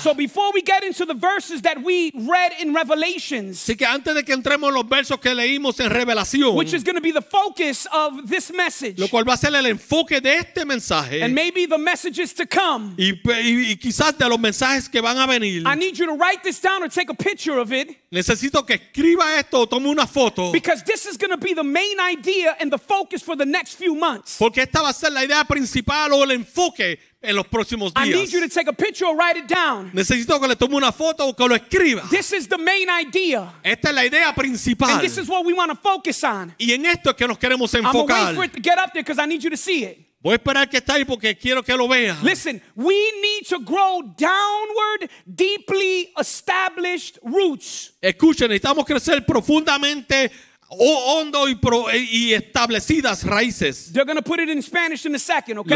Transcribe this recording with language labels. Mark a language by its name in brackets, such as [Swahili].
[English] So before we get into the verses that we read in Revelations. [Spanish] Así que antes de que entremos los versos que leímos en Revelación. [English] Which is going to be the focus of this message. [Spanish] Lo cual va a ser el enfoque de este mensaje. [English] And maybe the messages to come. [Spanish] Y quizás de los mensajes que van a venir. [English] I need you to write this down or take a picture of it. [Spanish] Necesito que escriba esto o tome una foto. [English] Because this is going to be the main idea and the focus for the next few months. [Spanish] Porque esta va a ser la idea principal o el enfoque en los próximos días. [English] I need you to take a picture or write it down. [Spanish] Necesito que le tome una foto o que lo escriba. [English] This is the main idea. [Spanish] Esta es la idea principal. [English] And this is what we want to focus on. [Spanish] Y en esto es que nos queremos enfocar. [English] I'm going to wait for it to get up there because I need you to see it. [Spanish] Voy a esperar que esté ahí porque quiero que lo vean. [English] Listen, we need to grow downward, deeply established roots. [Spanish] Escuchen, necesitamos crecer profundamente, hondo y establecidas raíces. [English] They're going to put it in Spanish in a second, okay?